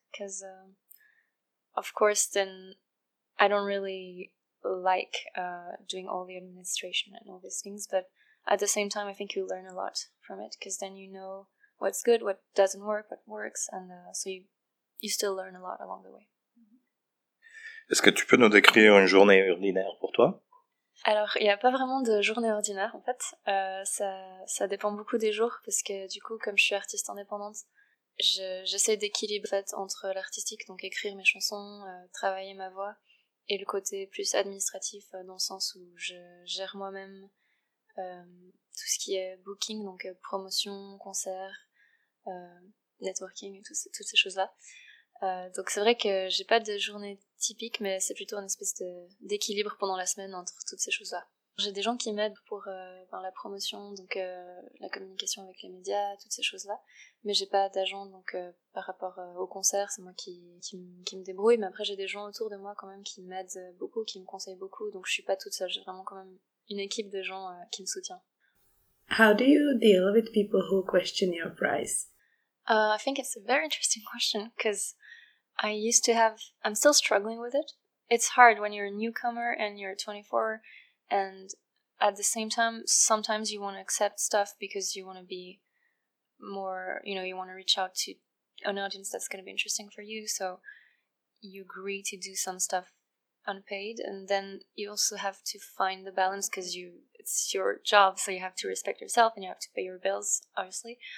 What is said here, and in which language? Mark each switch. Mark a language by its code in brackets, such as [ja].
[en] Because, of course, then I don't really like doing all the administration and all these things. But at the same time, I think you learn a lot from it. Because then you know what's good, what doesn't work, what works. And so you still learn a lot along the way. [fr] Est-ce que tu peux nous décrire une journée ordinaire pour toi? Alors, il n'y a pas vraiment de journée ordinaire, en fait. Ça dépend beaucoup des jours, parce que du coup, comme je suis artiste indépendante, j'essaie d'équilibrer en fait, entre l'artistique, donc écrire mes chansons, travailler ma voix, et le côté plus administratif, dans le sens où je gère moi-même tout ce qui est booking, donc promotion, concert, networking, et toutes ces choses-là. Donc c'est vrai que j'ai pas de journée typique, mais c'est plutôt une espèce d'équilibre pendant la semaine entre toutes ces choses-là. J'ai des gens qui m'aident pour ben, la promotion, donc la communication avec les médias, toutes ces choses-là, mais j'ai pas d'agent donc par rapport au concert, c'est moi qui me débrouille, mais après j'ai des gens autour de moi quand même qui m'aident beaucoup, qui me conseillent beaucoup, donc je suis pas toute seule, j'ai vraiment quand même une équipe de gens qui me soutient. [en] How do you deal with people who question your price? I think it's a very interesting question, because I used to have, I'm still struggling with it. It's hard when you're a newcomer and you're 24, and at the same time, sometimes you want to accept stuff because you want to be more, you know, you want to reach out to an audience that's going to be interesting for you, so you agree to do some stuff unpaid, and then you also have to find the balance because it's your job, so you have to respect yourself and you have to pay your bills, obviously.